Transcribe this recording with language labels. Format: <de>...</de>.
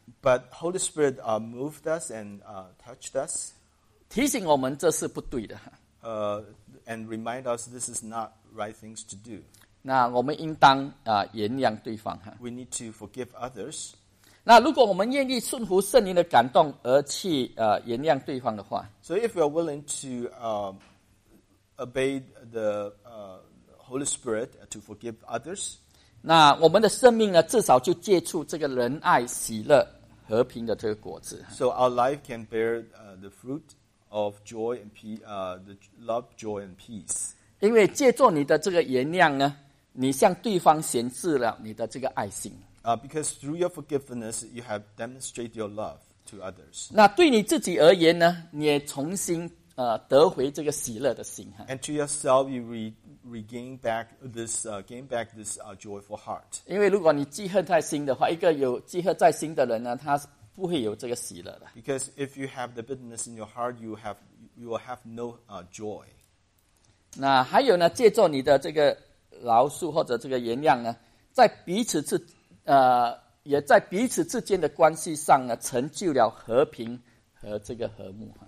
<en>But Holy Spirit moved us and touched us.</en> <zh>提醒我们这是不对的。</zh> <en>And remind us this is not right things to do.</en> <zh>那我们应当原谅对方。</zh> <en>We need to forgive others.</en> <zh>那如果我们愿意顺服圣灵的感动而去原谅对方的话。</zh> <en>So if we are willing to obey the Holy Spirit to forgive others.</en> <zh>那我们的生命呢至少就结出这个仁爱喜乐和平的这个果子。</zh> <en>So our life can bear the fruit of joy and peace, the love, joy and peace.</en> <zh>因为借助你的这个原谅呢，你向对方显示了你的这个爱心。</zh> <en>Because through your forgiveness, you have demonstrated your love to others.</en> <zh>那对你自己而言呢，你也重新得回这个喜乐的心。</zh> <en>And to yourself, you regain back this, gain back this joyful heart.</en> <zh>因为如果你记恨在心的话，一个有记恨在心的人呢，他不会有这个喜乐的。</zh> <en>Because if you have the bitterness in your heart, you will have no joy.</en> <zh>那还有呢，借助你的这个饶恕或者这个原谅呢，在彼此之也在彼此之间的关系上呢，成就了和平和这个和睦。</zh>